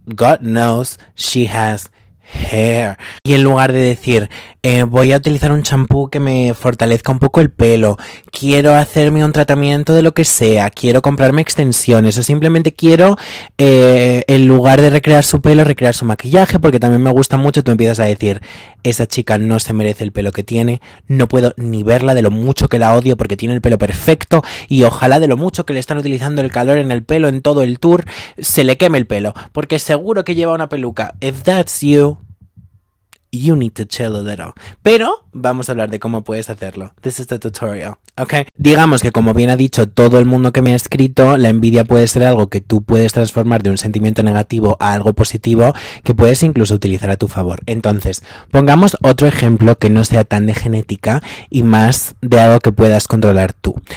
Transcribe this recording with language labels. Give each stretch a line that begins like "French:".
English: God knows she has hair.
Spanish: Y en lugar de decir, voy a utilizar un champú que me fortalezca un poco el pelo, quiero hacerme un tratamiento de lo que sea, quiero comprarme extensiones o simplemente quiero, en lugar de recrear su pelo, recrear su maquillaje, porque también me gusta mucho, tú empiezas a decir, Esa chica no se merece el pelo que tiene. No puedo ni verla de lo mucho que la odio porque tiene el pelo perfecto y ojalá de lo mucho que le están utilizando el calor en el pelo en todo el tour se le queme el pelo, porque seguro que lleva una peluca.
English: If that's you, you need to chill a little.
Spanish: Pero vamos a hablar de cómo puedes hacerlo.
English: This is the tutorial,
Spanish: ¿ok? Digamos que, como bien ha dicho todo el mundo que me ha escrito, la envidia puede ser algo que tú puedes transformar de un sentimiento negativo a algo positivo que puedes incluso utilizar a tu favor. Entonces, pongamos otro ejemplo que no sea tan de genética y más de algo que puedas controlar tú.